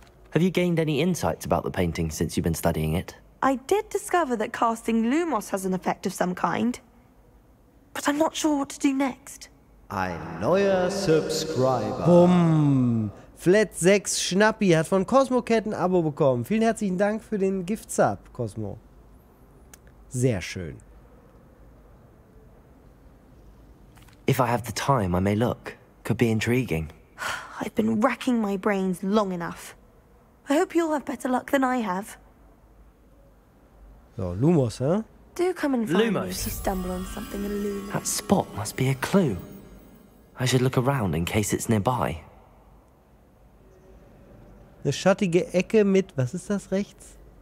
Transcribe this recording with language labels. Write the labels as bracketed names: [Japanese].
[English] Have you gained any insights about the painting since you've been studying it? I did discover that casting Lumos has an effect of some kind. But I'm not sure what to do next. [German] Ein neuer Subscriber. Bumm. Flat 6 Schnappi hat von Cosmo Cat ein Abo bekommen. Vielen herzlichen Dank für den Gift-Sub, Cosmo. Sehr schön. [English] If I have the time, I may look. Could be intriguing. I've been racking my brains long enough. I hope you'll have better luck than I have. So, Lumos, huh? Do come and find Lumos. Me if you stumble on something in Lumos. That spot must be a clue. I should look around in case it's nearby. [German] Eine schattige Ecke mit, was ist das rechts?